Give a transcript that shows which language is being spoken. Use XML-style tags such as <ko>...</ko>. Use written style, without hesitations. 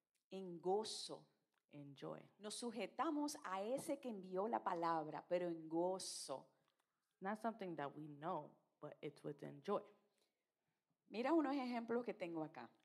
<es>En gozo.</es> <en>In joy.</en> <es>Nos sujetamos a ese que envió la palabra, pero en gozo.</es> <en>Not something that we know, but it's within joy.</en> <es>Mira unos ejemplos que tengo acá.</es>